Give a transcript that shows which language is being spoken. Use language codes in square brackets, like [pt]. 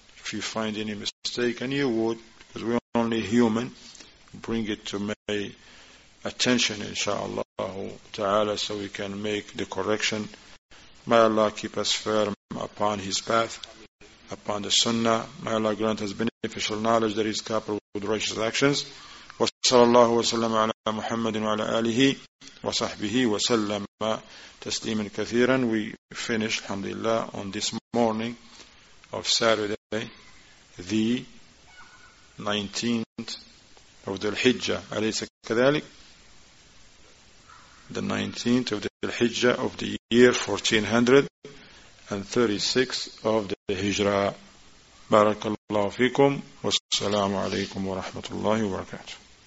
[en] If you find any mistake, and you would, because we are only human, bring it to my attention, inshallah ta'ala, so we can make the correction. May Allah keep us firm upon His path, upon the sunnah. May Allah grant us beneficial knowledge that is coupled with righteous actions. [ar] وصلى الله وسلم على محمد وعلى آله وصحبه وسلم تسليما كثيرا. [en] We finish, alhamdulillah, on this morning of Saturday, the 19th of the Hijjah. [ar] أليس كذلك؟ [en] The 19th of the Hijjah of the year 1436 of the Hijrah. [ar] بارك الله فيكم والسلام عليكم ورحمة الله وبركاته.